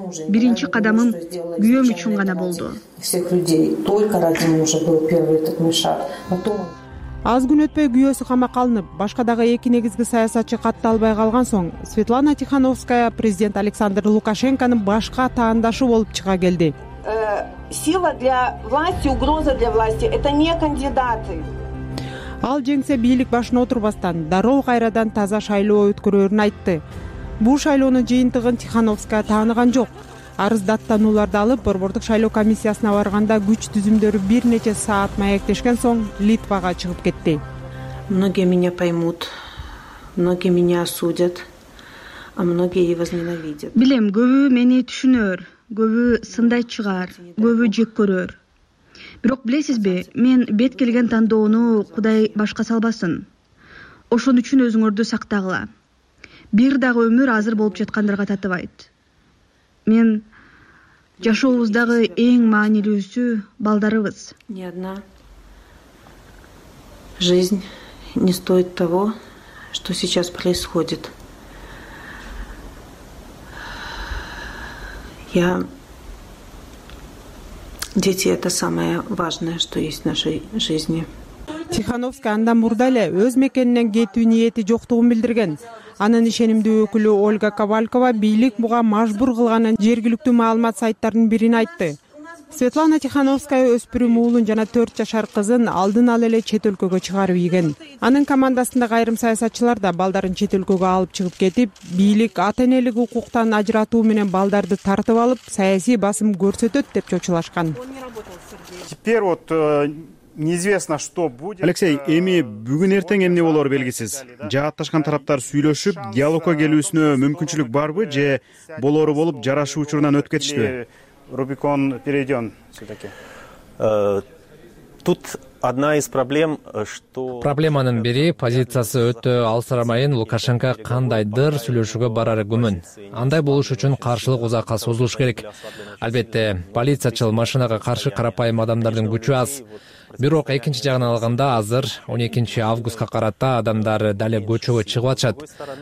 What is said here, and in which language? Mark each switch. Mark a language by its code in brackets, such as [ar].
[ky] Биринчи кадамым күйөөм үчүн гана болду. Аз күн өтпөй күйөөсү камакка алынып, башка дагы эки негизги саясатчы катталбай калган соң, Светлана Тихановская президент Александр Лукашенконун башка таандашы болуп чыга келди. [ru] Сила для власти, угроза для власти – это не кандидаты. [ky] Ал жеңсе бийлик башына отурбастан, дароо кайрадан таза шайлоо өткөрөрүн айтты. Бул шайлоонун жыйынтыгын Тихановская тааныган жок. Арыздаттанууларды алып, борбордук шайлоо комиссиясына барганда күч түзүмдөрү бир нече саат маектешкен соң Литвага чыгып кетти. [ru] Многие меня поймут, многие меня осудят, а многие и возненавидят. [ky] Билем, көбү мени түшүнөр, көбү сындай чыгар, көбү жек көрөр. Бирок билесизби, мен бет келген тандоону Кудай башка салбасын. Ошон үчүн өзүңөрдү сактагыла. Бир дагы өмүр азыр болуп жаткандарга татыбайт. Мен жашообуздагы эң маанилүүсү балдарыбыз. [ru] Ни одна жизнь не стоит того, что сейчас происходит. Я дети это самое важное, что есть в нашей жизни. [ky] Тихановский андан мурда эле өз мекенинен кетүү ниети жоктугун билдирген. Анын ишенимдүү өкүлү Ольга Ковалькова бийлик буга мажбур кылганын жергиликтүү маалымат сайттарынын бирин айтты. Светлана Тихановская өспүрүм уулун жана 4 жашар кызын алдын ала эле чет өлкөгө чыгарып ийген. Анын командасындагы айрым саясатчылар да балдарын чет өлкөгө алып чыгып кетип, бийлик ата-энелик укуктан ажыратуу менен балдарды тартып алып, саясий басым көрсөтөт деп чочулашкан. [ru] Теперь вот неизвестно, что будет. [ky] Алексей, эми бүгүн эртең эмне болор белгисиз. Жаатташкан тараптар сүйлөшүп, диалогко келүүсүнө мүмкүнчүлүк барбы же болору болуп жарашуу учурунан өтүп кетишти? [ru] Рубикон перейден все-таки. Тут одна из проблем, что... [ky] Проблеманын бири, позициясы өтө алсырамайын Лукашенко кандайдыр сүйлөшүүгө барары күмөн. Андай болуш үчүн каршылык узакка созулуш керек. Албетте, полициячыл машинага каршы карапайым адамдардын күчү аз. Бирок экинчи жагын алганда азыр 12 августка карата адамдар дале көчөгө чыгып атышат.